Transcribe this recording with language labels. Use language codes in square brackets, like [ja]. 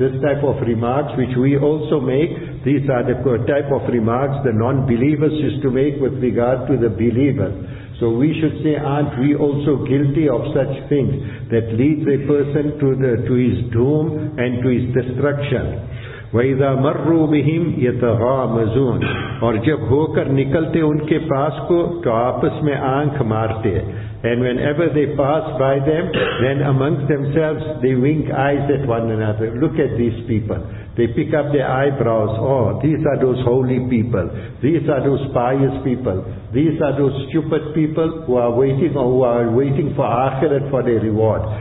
[en] This type of remarks which we also make, these are the type of remarks the non-believers used to make with regard to the believers. So we should say, aren't we also guilty of such things that leads a person to his doom and to his destruction? [ar] وَإِذَا مَرُّوا بِهِمْ يَتَغَامَزُونَ [ur] اور جب ہو کر نکلتے ان کے پاس کو تو آپس میں آنکھ مارتے. [en] And whenever they pass by them, then amongst themselves they wink eyes at one another. Look at these people. They pick up their eyebrows. Oh, these are those holy people. These are those pious people. These are those stupid people who are waiting for Akhirat for their reward.